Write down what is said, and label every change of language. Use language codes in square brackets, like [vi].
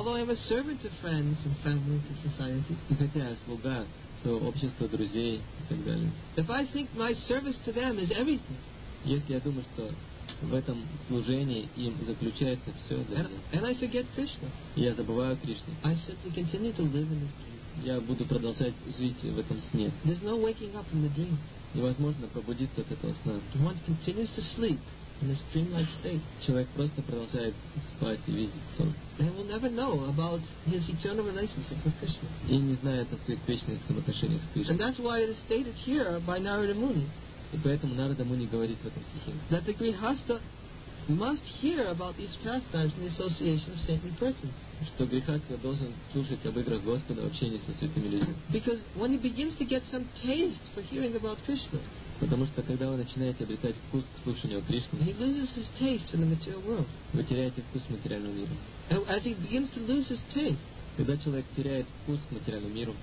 [en] although I am a servant to friends and family and society, [ru] и хотя я слуга своего общества, друзей и так далее, [en] if I think my service to them is everything, [ru] если я думаю, что в этом служении им заключается все, [en] and I forget Krishna, [ru] я забываю Кришну, [en] I simply continue to live in this dream, [ru] я буду продолжать жить в этом сне. [en] There's no waking up from the dream. [ru] Невозможно пробудиться от этого сна. [en] One continues to sleep. in a dreamlike state. [ru] Человек просто продолжает спать и видеть сон. [en] And will never know about his eternal relationship with Krishna. [ru] И не знает о своих вечных взаимоотношениях с Кришной. [en] And that's why it is stated here by Narada Muni. [ru] И поэтому Нарада Муни говорит в этом стихе. [en] That the Grihastha must hear about these pastimes in the association of saintly persons. [ru] Что грехастха должен слушать об играх Господа в общении со святыми людьми. [en] Because when he begins to get some taste for hearing about Krishna. [ru] Потому что когда вы начинаете обретать вкус к слушанию о Кришне, [en] he loses his taste in the material world. [ru] Вы теряете вкус в материальном мире. [en] And as he begins to lose his taste, [ru] когда человек теряет вкус к материальному миру,